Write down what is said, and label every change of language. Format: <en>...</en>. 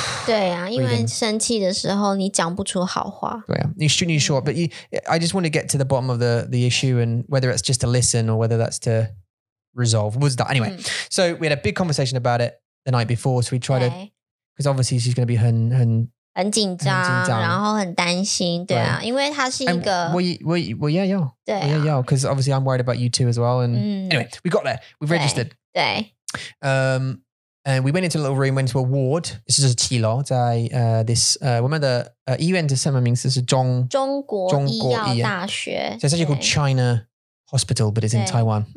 <zh>对啊，因为生气的时候你讲不出好话。对啊，你</zh> <en>shoot you short, but I just want to get to the bottom of the issue and whether it's just to listen or whether that's to resolve. Was that anyway?、Mm. So we had a big conversation about it the night before. So we try to, because obviously she's going to be</en> <zh>很紧张，然后很担心，对啊，因为他是一个。</zh> <en>Well, yeah. Because obviously I'm worried about you too as well. And、mm. anyway, we got there. We've registered.</en> <zh>对。</zh> <en>And we went into a little room, went to a ward. This is a</en> <zh>七楼在</zh> <en>this,</en> <zh>我们的医院的什么名字是中国医药大学。</zh> <en>So it's actually called China Hospital, but it's in Taiwan.</en>